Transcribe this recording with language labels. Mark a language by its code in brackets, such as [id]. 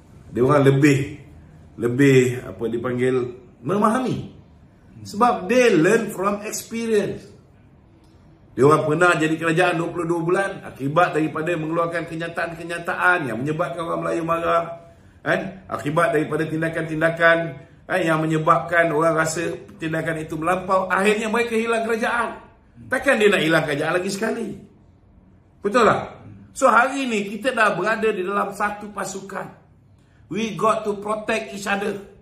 [ms] Dia orang lebih apa dipanggil, memahami. Sebab [en] they learn from experience. [ms] Dia orang pernah jadi kerajaan 22 bulan akibat daripada mengeluarkan kenyataan-kenyataan yang menyebabkan orang Melayu marah. Akibat daripada tindakan-tindakan yang menyebabkan orang rasa tindakan itu melampau. Akhirnya mereka hilang kerajaan. Takkan dia nak hilang kerajaan lagi sekali. Betul tak? So hari ini kita dah berada di dalam satu pasukan. [en] We got to protect each other.